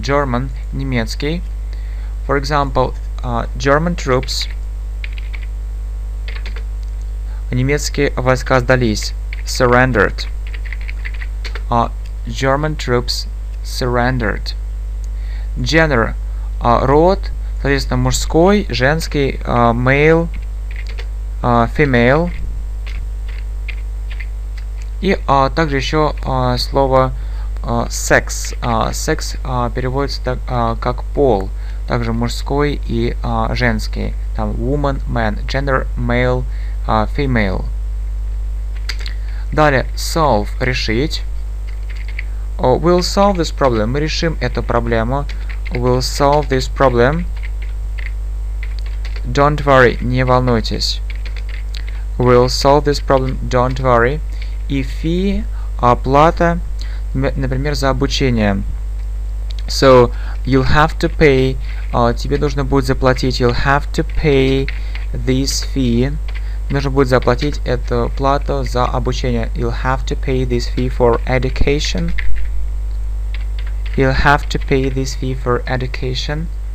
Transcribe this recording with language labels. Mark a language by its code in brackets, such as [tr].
[en] German, немецкий. For example, German troops. [ru] Немецкие войска сдались. [en] Surrendered. German troops surrendered. Gender. Род. [ru] Соответственно, мужской, женский, male. [en] Female. [ru] И также еще слово sex. Sex переводится так, как пол. Также мужской и женский. [en] Там woman, man. Gender, male, female. Далее, solve. [ru] Решить. [en] We'll solve this problem. [ru] Мы решим эту проблему. [en] We'll solve this problem. Don't worry. [ru] Не волнуйтесь. [en] We'll solve this problem, don't worry. [ru] И fee, оплата, например, за обучение. [en] So, you'll have to pay, [ru] тебе нужно будет заплатить, [en] you'll have to pay this fee. [ru] Нужно будет заплатить эту плату за обучение. [en] You'll have to pay this fee for education. You'll have to pay this fee for education.